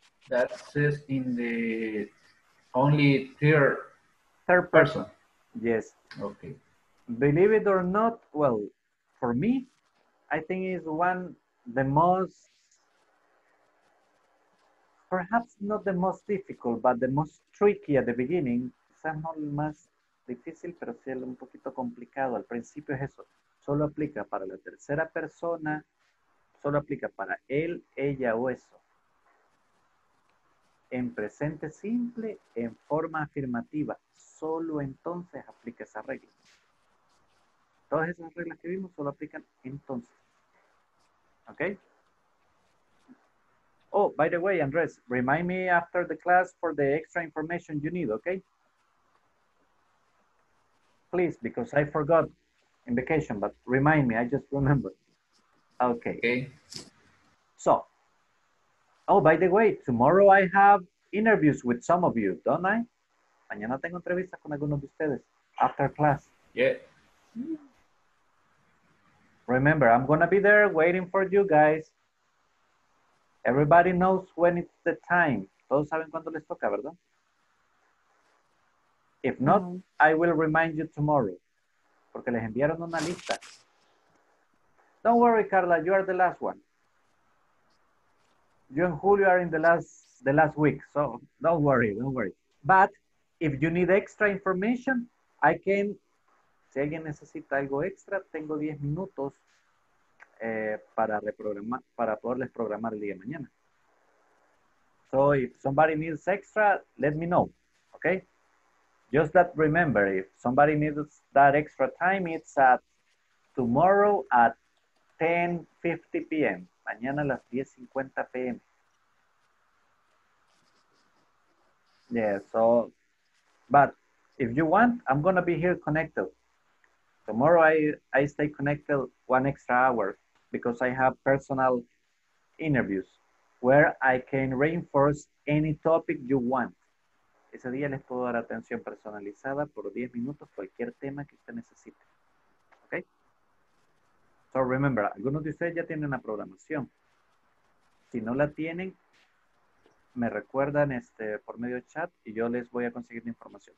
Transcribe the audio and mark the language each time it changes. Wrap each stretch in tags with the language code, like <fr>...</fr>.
<en>That says in the only third person. Yes. Okay. Believe it or not, well, for me, I think it's one the most, perhaps not the most difficult, but the most tricky at the beginning,</en> <es>quizás no más difícil, pero sí es un poquito complicado. Al principio es eso. Solo aplica para la tercera persona. Solo aplica para él, ella o eso. En presente simple, en forma afirmativa. Solo entonces aplica esa regla. Todas esas reglas que vimos solo aplican entonces. ¿Ok?</es> <en>Oh, by the way, Andrés, remind me after the class for the extra information you need, ok? Please, because I forgot in vacation, but remind me, I just remember. Okay. Okay. So, oh, by the way, tomorrow I have interviews with some of you, don't I?</en> <es>Mañana tengo entrevistas con algunos de ustedes</es> <en>after class. Yeah. Remember, I'm going to be there waiting for you guys. Everybody knows when it's the time.</en> <es>Todos saben cuándo les toca, ¿verdad?</es> <en>If not, I will remind you tomorrow.</en> <es>Porque les enviaron una lista.</es> <en>Don't worry, Carla. You are the last one. You and Julio are in the last week. So don't worry. Don't worry. But if you need extra information, I can...</en> <es>Si alguien necesita algo extra, tengo 10 minutos para reprogramar, para poderles programar el día de mañana.</es> <en>So if somebody needs extra, let me know. Okay? Just that remember, if somebody needs that extra time, it's at tomorrow at 10:50 p.m.</en> <es>Mañana a las 10:50 p.m.</es> <en>Yeah, so, but if you want, I'm going to be here connected. Tomorrow I stay connected one extra hour because I have personal interviews where I can reinforce any topic you want.</en> <es>Ese día les puedo dar atención personalizada por 10 minutos, cualquier tema que usted necesite. ¿Ok?</es> <en>So remember,</en> <es>algunos de ustedes ya tienen la programación. Si no la tienen, me recuerdan por medio chat y yo les voy a conseguir la información.</es>